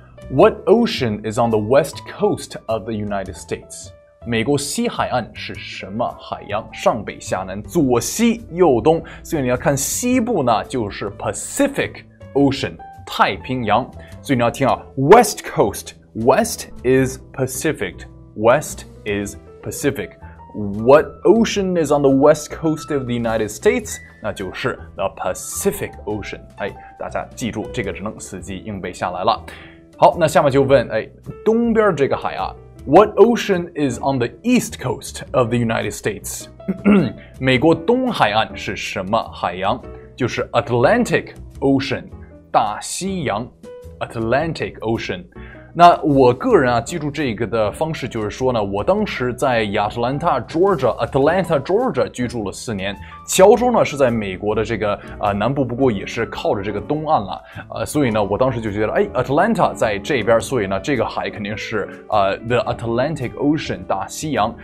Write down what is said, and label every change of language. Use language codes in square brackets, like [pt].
[en] What ocean is on the west coast of the United States？ [zh] 美国西海岸是什么海洋？上北下南，左西右东。所以你要看西部呢，就是 Pacific Ocean， 太平洋。所以你要听啊 [en] ，West Coast， West is Pacific， West is Pacific。 What ocean is on the west coast of the United States？ [zh] 那就是 the Pacific Ocean。大家记住这个，只能死记硬背下来了。好，那下面就问，东边这个海啊。 [en] What ocean is on the east coast of the United States? [zh] 美国东海岸是什么海洋？ [en] 就是 Atlantic Ocean， 大西洋 ，Atlantic Ocean。 [zh] 那我个人记住这个的方式就是说呢，我当时在亚特兰大 Georgia 居住了四年，乔州呢是在美国的这个南部，不过也是靠着这个东岸了所以呢我当时就觉得Atlanta 在这边，所以呢这个海肯定是The Atlantic Ocean， 大西洋。